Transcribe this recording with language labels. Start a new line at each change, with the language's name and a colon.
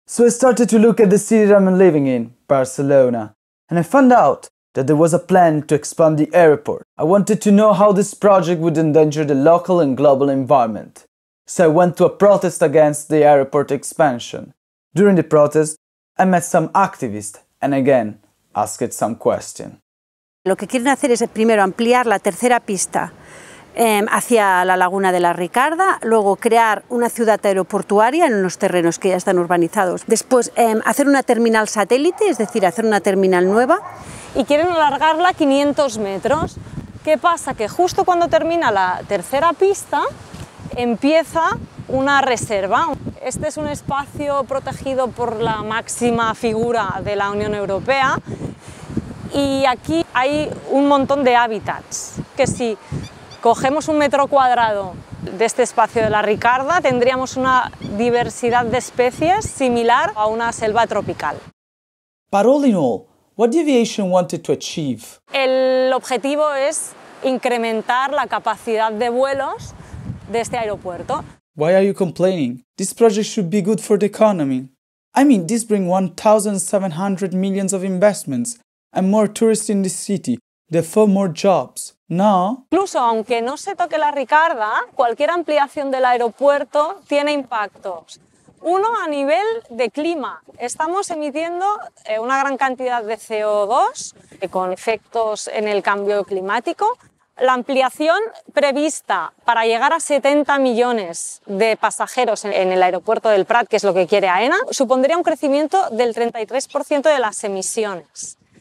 English: So I started to look at the city that I'm living in, Barcelona, and I found out that there was a plan to expand the airport. I wanted to know how this project would endanger the local and global environment. So I went to a protest against the airport expansion. During the protest, I met some activists and again asked some question.
Spanish: Lo que quieren hacer es primero ampliar la tercera pista hacia la Laguna de la Ricarda, luego crear una ciudad aeroportuaria en los terrenos que ya están urbanizados, después hacer una terminal satélite, es decir, hacer una terminal nueva, y quieren alargarla 500 metros. ¿Qué pasa? Que justo cuando termina la tercera pista empieza una reserva. Este es un espacio protegido por la máxima figura de la Unión Europea y aquí hay un montón de hábitats que si cogemos un metro cuadrado de este espacio de la Ricarda tendríamos una diversidad de especies similar a una selva tropical.
English: But all in all, what the aviation wanted to achieve?
Spanish: El objetivo es incrementar la capacidad de vuelos de este aeropuerto.
English: Why are you complaining? This project should be good for the economy. I mean, this brings 1,700 millions of investments and more tourists in the city, therefore more jobs. No?
Spanish: Incluso aunque no se toque la Ricarda, cualquier ampliación del aeropuerto tiene impactos. Uno a nivel de clima. Estamos emitiendo una gran cantidad de CO2 con efectos en el cambio climático. La ampliación prevista para llegar a 70 millones de pasajeros en el aeropuerto del Prat, que es lo que quiere AENA, supondría un crecimiento del 33% de las emisiones.